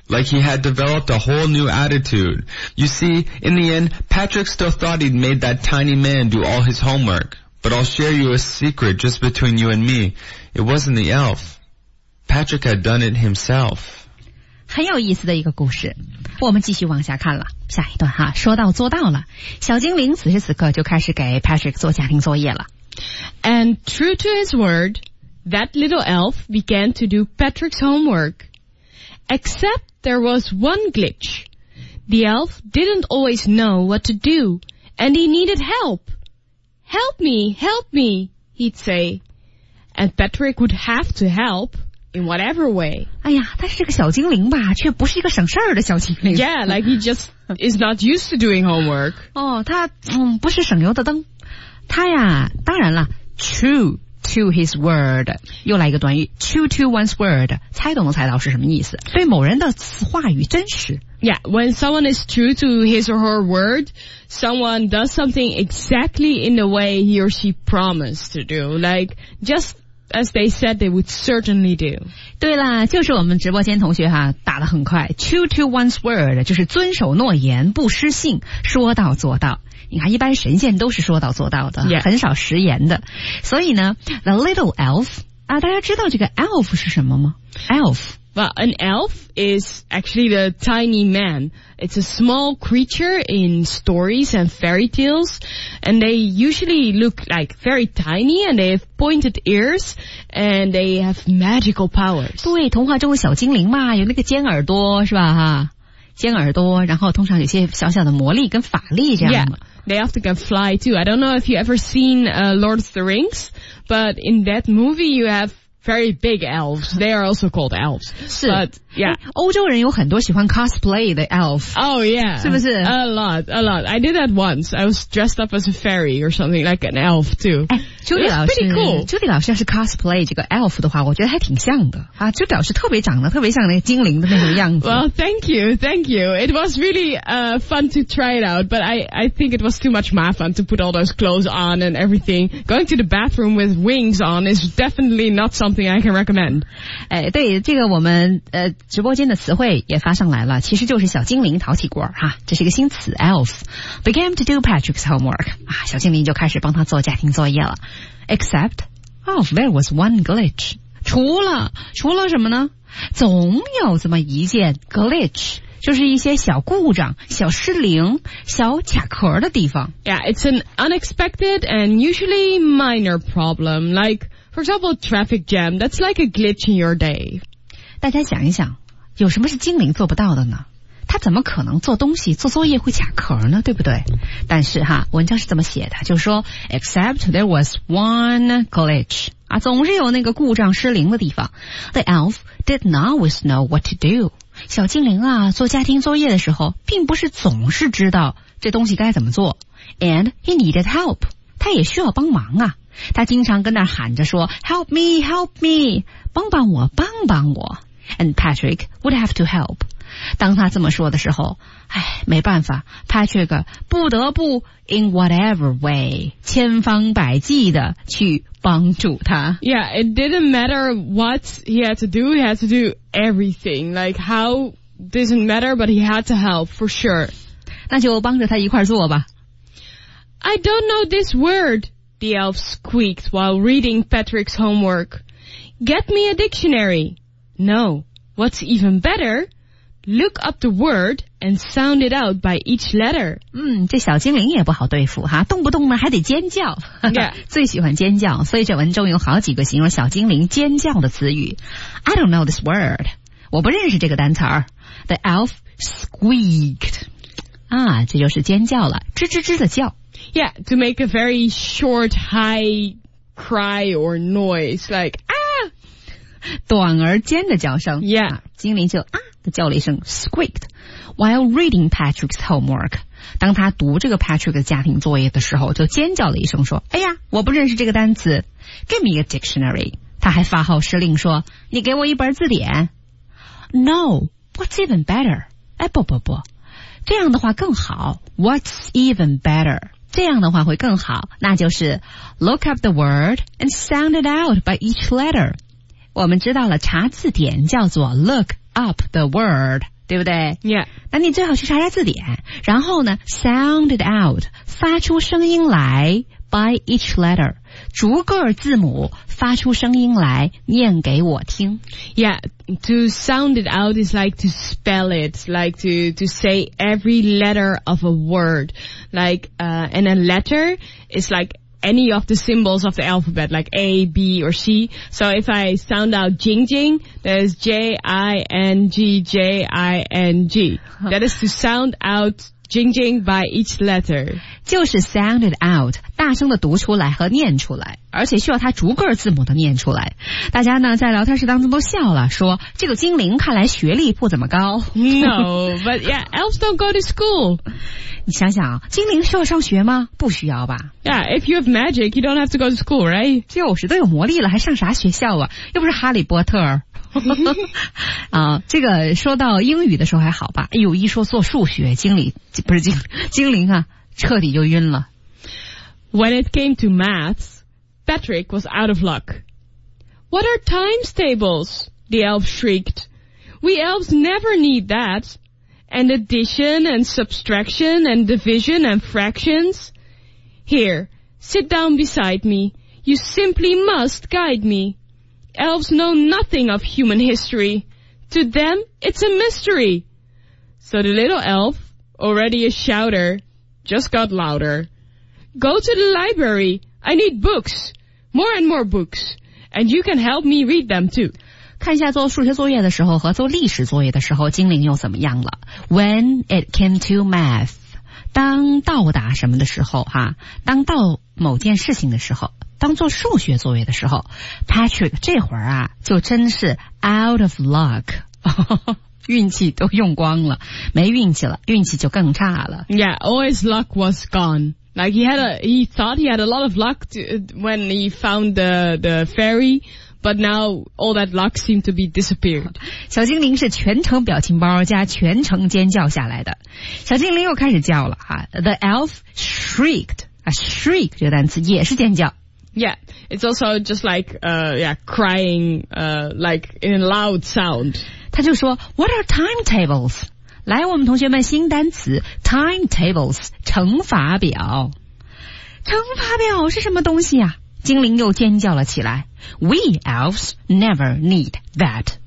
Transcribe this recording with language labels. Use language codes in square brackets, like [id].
[en] Like he had developed a whole new attitude. You see, in the end, Patrick still thought he'd made that tiny man do all his homework. But I'll share you a secret just between you and me. It wasn't the elf.Patrick had done it himself. [zh] 很有意思的一个故事。我们继续往下看了，下一段哈，说到做到了，小精灵此时此刻就开始给 Patrick 做家庭作业了。 [en] And true to his word, that little elf began to do Patrick's homework. Except there was one glitch. The elf didn't always know what to do, and he needed help. Help me, help me, he'd say. And Patrick would have to help. In whatever way. [zh] 哎呀，他是个小精灵吧，却不是一个省事儿的小精灵。 [en] Yeah, like he just is not used to doing homework. [zh] 哦，他不是省油的灯。他呀，当然了 ， [en] true to his word， [zh] 又来一个短语 ， [en] true to one's word， [zh] 猜都能猜到是什么意思。对某人的话语真实。 [en] Yeah, when someone is true to his or her word, someone does something exactly in the way he or she promised to do. Like just. As they said, they would certainly do. [zh] 对了，就是我们直播间同学哈，打得很快。 [en] True to one's word [zh] 就是遵守诺言，不失信，说到做到。你看，一般神仙都是说到做到的， [en] yeah. [zh] 很少食言的。所以呢 ， [en] the little elf [zh] 啊，大家知道这个 elf 是什么吗 ？Elf. [en] Well, an elf is actually the tiny man. It's a small creature in stories and fairy tales, and they usually look like very tiny, and they have pointed ears, and they have magical powers. [zh] 对，童话中的小精灵嘛，有那个尖耳朵，是吧？哈，尖耳朵，然后通常有些小小的魔力跟法力这样。 [en] Yeah, they often can fly too. I don't know if you ever seen Lord of the Rings, but in that movie you have. Very big elves. They are also called elves. [zh] 是 [en] But, yeah. [zh] 欧洲人有很多喜欢 cosplay 的 elf. [en] Oh, yeah. [zh] 是不是 [en] A lot, a lot. I did that once. I was dressed up as a fairy or something like an elf too. [zh] 哎 ,Judy 老师 ,Judy 老师要是 cosplay 这个 elf 的话我觉得还挺像的。啊就表示特别长得特别像那个精灵的那种样子。 [en] Well, thank you, thank you. It was really, fun to try it out, but I think it was too much mafan to put all those clothes on and everything. Going to the bathroom with wings on is definitely not something I can recommend. [zh] 哎，对，这个我们直播间的词汇也发上来了，其实就是小精灵淘气鬼哈，这是一个新词 ， [en] elf began to do Patrick's homework [zh] 啊，小精灵就开始帮他做家庭作业了。 [en] Except, oh, there was one glitch. [zh] 除了什么呢？总有这么一件 glitch。就是一些小故障、小失灵、小卡壳的地方。 [en] Yeah, it's an unexpected and usually minor problem. Like, for example, traffic jam. That's like a glitch in your day. [zh] 大家想一想，有什么是精灵做不到的呢？他怎么可能做东西、做作业会卡壳呢？对不对？但是哈，文章是这么写的，就是说 ， [en] except there was one glitch. [zh] 啊，总是有那个故障、失灵的地方。 [en] The elf did not always know what to do. [zh] 小精灵啊，做家庭作业的时候，并不是总是知道这东西该怎么做。 [en] And he needed help. [zh] 他也需要帮忙啊。他经常跟那喊着说 , [en] help me, help me, [zh] 帮帮我帮帮我。 [en] And Patrick would have to help. [zh] 当他这么说的时候，哎，没办法， Patrick 不得不 [en] in whatever way, [zh] 千方百计的去帮助他。 [en] Yeah, it didn't matter what he had to do, he had to do everything. Like how doesn't matter, but he had to help for sure. [zh] 那就帮着他一块做吧。 [en] I don't know this word, the elf squeaked while reading Patrick's homework. Get me a dictionary. No, what's even better, look up the word and sound it out by each letter. [zh] 嗯，这小精灵也不好对付哈，动不动呢还得尖叫。 [en] Yeah. [zh] 最喜欢尖叫，所以这文中有好几个形容小精灵尖叫的词语。 [en] I don't know this word. [zh] 我不认识这个单词儿。 [en] The elf squeaked. [zh] 啊，这就是尖叫了，吱吱吱的叫。 [en] Yeah, to make a very short high cry or noise, like, ah! [zh] 短而尖的叫声。 [en] Yeah. [zh] 精灵就啊的叫了一声 squeaked。 [en] While reading Patrick's homework, [zh] 当他读这个 Patrick 的家庭作业的时候就尖叫了一声说哎呀我不认识这个单词 [en] Give me a dictionary. [zh] 他还发号施令说你给我一本字典。 [en] No, what's even better? [zh] 哎不不不这样的话更好 [en] What's even better? [zh] 这样的话会更好那就是 [en] Look up the word and sound it out by each letter. [zh] 我们知道了查字典叫做 [en] look up the word. [zh] 对不对 [en] Yeah. [zh] 那你最好去查查字典，然后呢 [en] sound it out, [zh] 发出声音来 [en] by each letter, [zh] 逐个字母发出声音来念给我听。 [en] Yeah, to sound it out is like to spell it, like to say every letter of a word. Like, and a letter is like any of the symbols of the alphabet, like A, B, or C. So if I sound out Jing Jing, that is J-I-N-G, J-I-N-G. That is to sound out Jing Jing by each letter. [zh] 就是 [en] sound it out, [zh] 大声的读出来和念出来，而且需要它逐个字母的念出来。大家呢在聊天室当中都笑了，说这个精灵看来学历不怎么高。 No, but yeah, elves don't go to school. 你想想，精灵需要上学吗？不需要吧。 [en] Yeah, if you have magic, you don't have to go to school, right? [zh] 就是都有魔力了，还上啥学校啊？又不是哈利波特。啊，这个说到英语的时候还好吧？哎呦，一说做数学，精灵不是精灵啊，彻底就晕了。 [en] When it came to maths, Patrick was out of luck. What are times tables? The elf shrieked. We elves never need that. And addition and subtraction and division and fractions. Here, sit down beside me. You simply must guide me. Elves know nothing of human history. To them, it's a mystery. So the little elf, already a shouter, just got louder. Go to the library. I need books. More and more books. And you can help me read them too. [zh] 看一下做数学作业的时候和做历史作业的时候精灵又怎么样了。 [en] When it came to math, [zh] 当到达什么的时候哈、啊，当到某件事情的时候当做数学作业的时候 Patrick 这会儿啊就真是 [en] out of luck [zh] 运气都用光了没运气了运气就更差了 [en] Yeah, all his luck was gone Like he thought he had a lot of luck when he found the fairy But now all that luck seemed to be disappeared [zh] 小精灵是全程表情包加全程尖叫下来的小精灵又开始叫了、啊、 [en] The elf shrieked [zh] Shriek 这个单词也是尖叫 [en] Yeah, it's also just like, crying, like in a loud sound. [zh] 他就说 [en] ,what are timetables? [zh] 来我们同学们新单词 ,timetables, 乘法表。乘法表是什么东西啊?精灵又尖叫了起来。 [en] We elves never need that.